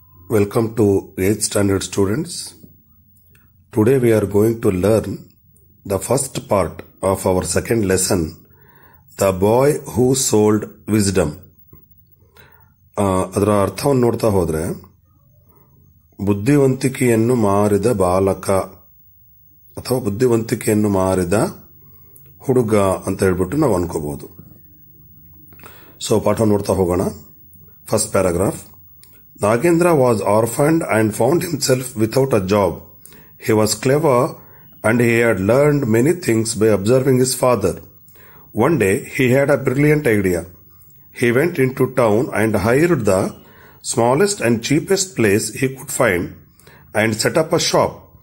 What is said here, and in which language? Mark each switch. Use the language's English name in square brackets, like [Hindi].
[English] Welcome to 8th standard students. Today we are going to learn the first part of our second lesson, The Boy Who Sold Wisdom. [Kannada] ಅದರ ಅರ್ಥವನ್ನು ನೋಡ್ತಾ ಹೋದ್ರೆ ಬುದ್ಧಿವಂತಿಕೆಯನ್ನು ಮಾರಿದ ಬಾಲಕ ಅಥವಾ ಬುದ್ಧಿವಂತಿಕೆಯನ್ನು ಮಾರಿದ ಹುಡುಗ ಅಂತ ಹೇಳ್ಬಿಟ್ಟು ನಾವು ಅನ್ಕೋಬಹುದು. ಸೊ ಪಾಠ ನೋಡ್ತಾ ಹೋಗೋಣ. First paragraph. [English] Nagendra was orphaned and found himself without a job. He was clever and he had learned many things by observing his father. One day he had a brilliant idea. He went into town and hired the smallest and cheapest place he could find and set up a shop.